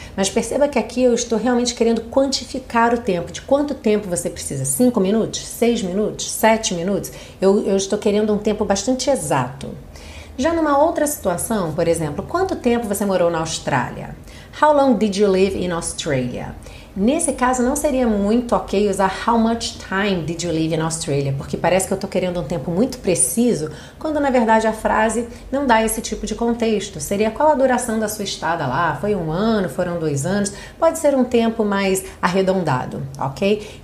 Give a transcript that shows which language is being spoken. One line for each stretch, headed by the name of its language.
Portuguese: Mas perceba que aqui eu estou realmente querendo quantificar o tempo. De quanto tempo você precisa? 5 minutos? 6 minutos? 7 minutos? Eu estou querendo um tempo bastante exato. Já numa outra situação, por exemplo, quanto tempo você morou na Austrália?
English: How long did you live in Australia?
Portuguese: Nesse caso, não seria muito ok usar
English: how much time did you live in Australia,
Portuguese: porque parece que eu estou querendo um tempo muito preciso, quando na verdade a frase não dá esse tipo de contexto. Seria qual a duração da sua estada lá? Foi 1 ano? Foram 2 anos? Pode ser um tempo mais arredondado, ok?